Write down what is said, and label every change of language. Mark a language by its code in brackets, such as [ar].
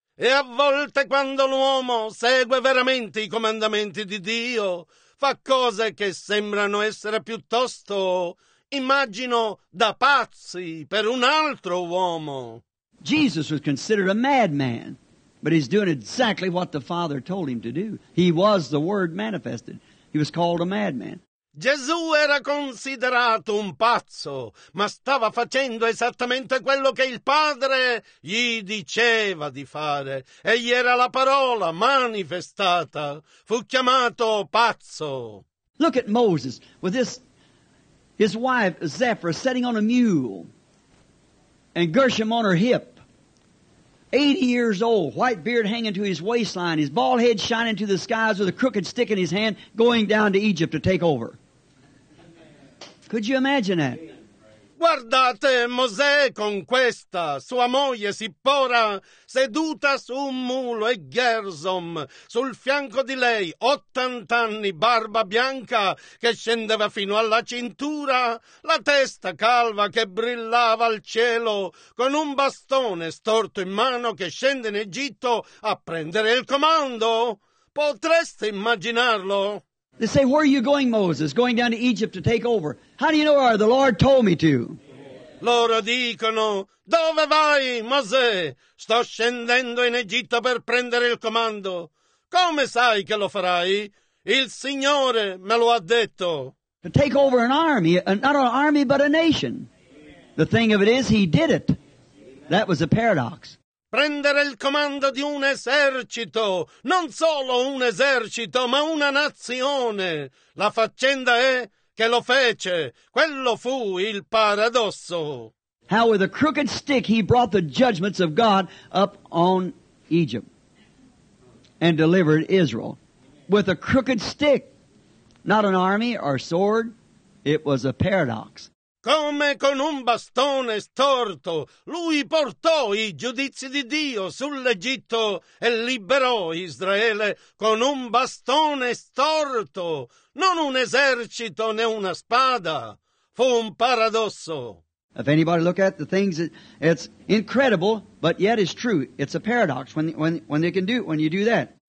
[it] E a volte quando l'uomo segue veramente i comandamenti di Dio, fa cose che sembrano essere piuttosto, immagino, da pazzi per un altro uomo. [en] Jesus was considered a madman, but he's doing exactly what the Father told him to do. He was the Word manifested. He was called a madman. [it] Gesù era considerato un pazzo, ma stava facendo esattamente quello che il Padre gli diceva di fare. Egli era la parola manifestata. Fu chiamato pazzo. [en] Look at Moses with his wife Zephra sitting on a mule and Gershom on her hip. 80 years old, white beard hanging to his waistline, his bald head shining to the skies with a crooked stick in his hand, going down to Egypt to take over. Could you imagine that? [it] Guardate Mosè con questa sua moglie Sippora seduta su un mulo e Gersom sul fianco di lei, 80 anni, barba bianca che scendeva fino alla cintura, la testa calva che brillava al cielo, con un bastone storto in mano che scende in Egitto a prendere il comando. Potreste immaginarlo? [en] They say, where are you going, Moses? Going down to Egypt to take over. How do you know where? The Lord told me to. [it] Loro dicono, dove vai, Mosè? Sto scendendo in Egitto per prendere il comando. Come sai che lo farai? Il Signore me lo ha detto. [en] To take over an army, not an army, but a nation. The thing of it is, he did it. That was a paradox. [it] Prendere il comando di un esercito, non solo un esercito, ma una nazione. La faccenda è che lo fece. Quello fu il paradosso. [en] How with a crooked stick he brought the judgments of God up on Egypt and delivered Israel. With a crooked stick, not an army or sword, it was a paradox. [it] Come con un bastone storto, lui portò i giudizi di Dio sull'Egitto e liberò Israele con un bastone storto, non un esercito né una spada. Fu un paradosso. [en] If anybody look at the things, it's incredible, but yet it's true. It's a paradox when they can do it, when you do that.